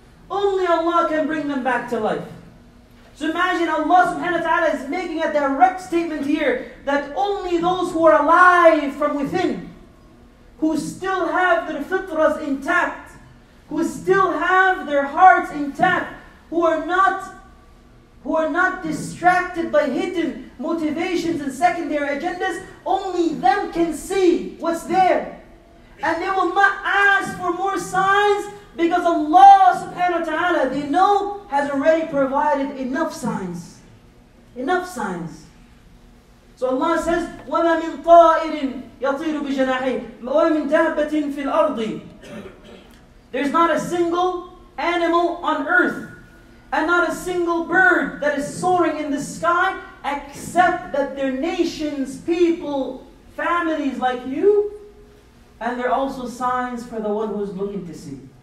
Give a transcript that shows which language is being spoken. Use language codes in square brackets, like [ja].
[en] Only Allah can bring them back to life. So imagine Allah subhanahu wa ta'ala is making a direct statement here that only those who are alive from within, who still have their fitras intact, who still have their hearts intact, who are not distracted by hidden motivations and secondary agendas, only them can see what's there. And they will not ask for more signs because Allah subhanahu wa ta'ala, they know, has already provided enough signs. Enough signs. [ar] So Allah says, وَمَا مِن طَائِرٍ يَطِيرُ بِجَنَاحِهِ وَمَا مِن دَابَّةٍ فِي الْأَرْضِ. [en] There's not a single animal on earth and not a single bird that is soaring in the sky except that their nations, people, families like you, and they're also signs for the one who's looking to see.